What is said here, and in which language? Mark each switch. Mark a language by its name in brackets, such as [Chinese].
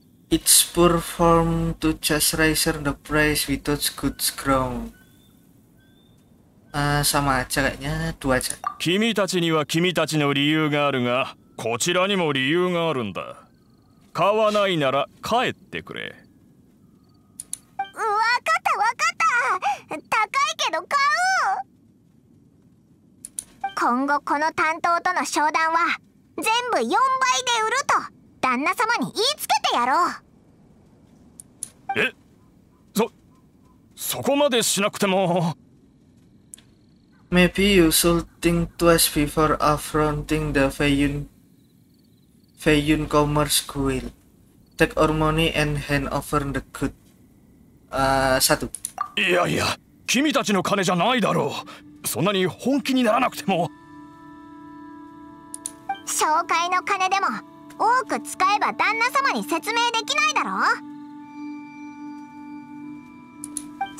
[English] It's poor form to just raise the price without good ground. [Indonesian] Sama aja kayaknya, dua aja. [Japanese] 君たちには君たちの理由があるが、こちらにも理由があるんだ。買わないなら帰ってくれ。わかったわかった。高いけど買う。今後この担当との商談は全部4倍で売ると旦那様に言いつけてやろう。え、そこまでしなくても。 [English] Maybe you should think twice before affronting the Feiyun Commerce Guild. Take our money and hand over the good. [Indonesian] Satu. [Japanese] いやいや、君たちの金じゃないだろう。そんなに本気にならなくても。紹介の金でも多く使えば旦那様に説明できないだろう。